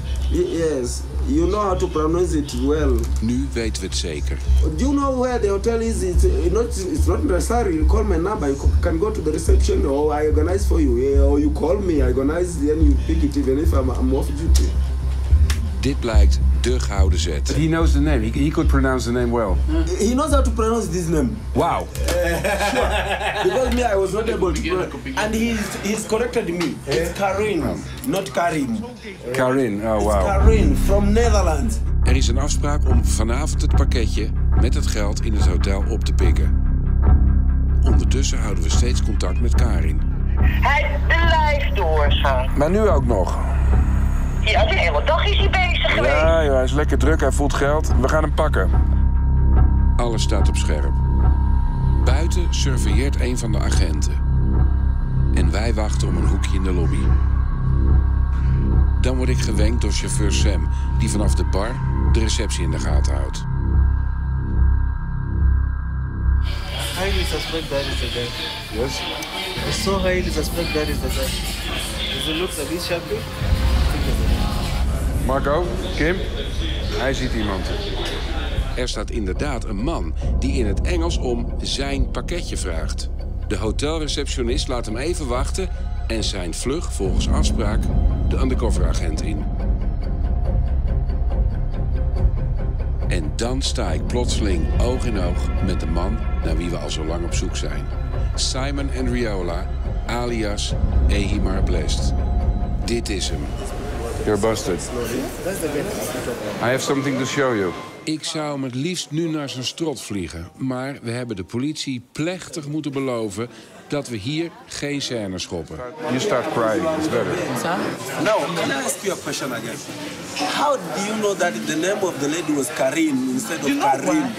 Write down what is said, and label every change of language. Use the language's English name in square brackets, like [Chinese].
[English] Yes. You know how to pronounce it well. [Dutch] Nu weten we het zeker. [English] Do you know where the hotel is? It's not necessary. You call my number. You can go to the reception or I organize for you. Yeah, or you call me. I organize then you pick it even if I'm off duty. [Dutch] Dit blijkt de gouden zet. [English] He knows the name. He could pronounce the name well. Huh? He knows how to pronounce this name. Wow. Sure. Because me, I was not able to pronounce. And he's corrected me. Yeah. It's Karin, not Karim. Karin, oh wow. It's Karin from Netherlands. [Dutch] Er is een afspraak om vanavond het pakketje met het geld in het hotel op te pikken. Ondertussen houden we steeds contact met Karin. Hij blijft doorgaan. Maar nu ook nog. Ja, de hele dag is hij bezig geweest. Ja, hij is lekker druk, hij voelt geld. We gaan hem pakken. Alles staat op scherp. Buiten surveilleert een van de agenten. En wij wachten om een hoekje in de lobby. Dan word ik gewenkt door chauffeur Sam, die vanaf de bar de receptie in de gaten houdt. [English] Highly suspect that is the guy. Yes? It's so highly suspect that is the guy. Does it look like he's shabby? [Dutch] Marco, Kim, hij ziet iemand. Er staat inderdaad een man die in het Engels om zijn pakketje vraagt. De hotelreceptionist laat hem even wachten en zijn vlug volgens afspraak de undercoveragent in. En dan sta ik plotseling oog in oog met de man naar wie we al zo lang op zoek zijn. Simon Andriola, alias Ehimar Blest. Dit is hem. [English] You're busted. I have something to show you. [Dutch] Ik zou hem het liefst nu naar zijn strot vliegen. Maar we hebben de politie plechtig moeten beloven dat we hier geen scène schoppen. [English] You start crying, it's better. No. Can I ask you a question again? How do you know that the name of the lady was Karin instead of Karin?